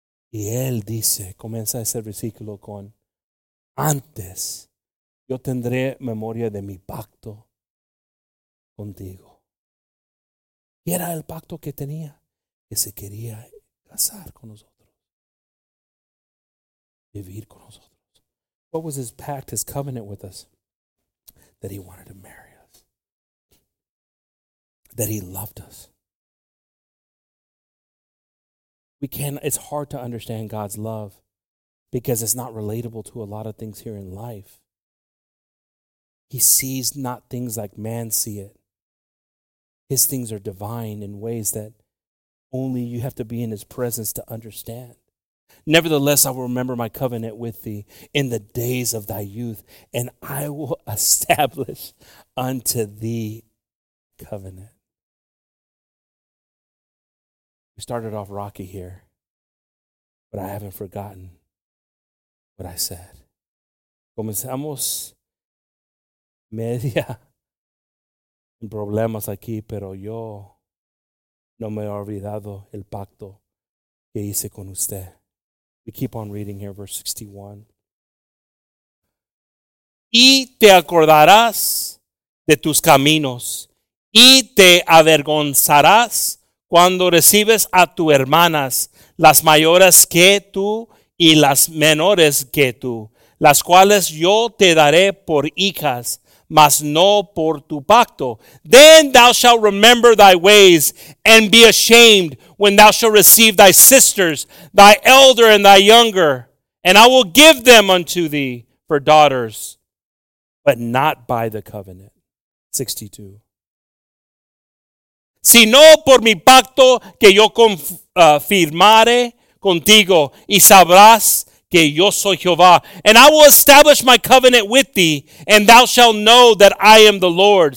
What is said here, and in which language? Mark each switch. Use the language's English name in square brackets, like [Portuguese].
[Spanish] Y él dice, comienza ese versículo con, antes yo tendré memoria de mi pacto contigo. Y era el pacto que tenía, que se quería casar con nosotros. Vivir con nosotros. [English] What was his pact, his covenant with us? That he wanted to marry us. That he loved us. We can, it's hard to understand God's love. Because it's not relatable to a lot of things here in life. He sees not things like man see it. His things are divine in ways that only you have to be in his presence to understand. Nevertheless, I will remember my covenant with thee in the days of thy youth, and I will establish unto thee covenant. We started off rocky here, but I haven't forgotten what I said. [Spanish] Comenzamos media problemas aquí, pero yo no me he olvidado el pacto que hice con usted. [English] We keep on reading here, verse 61. [Spanish] Y te acordarás de tus caminos, y te avergonzarás cuando recibes a tus hermanas, las mayores que tú, y las menores que tú, las cuales yo te daré por hijas, mas no por tu pacto. [English] Then thou shalt remember thy ways, and be ashamed when thou shalt receive thy sisters, thy elder and thy younger, and I will give them unto thee for daughters, but not by the covenant. 62. [Spanish] Sino por mi pacto que yo firmare contigo, y sabrás que yo soy Jehová. [English] And I will establish my covenant with thee, and thou shalt know that I am the Lord.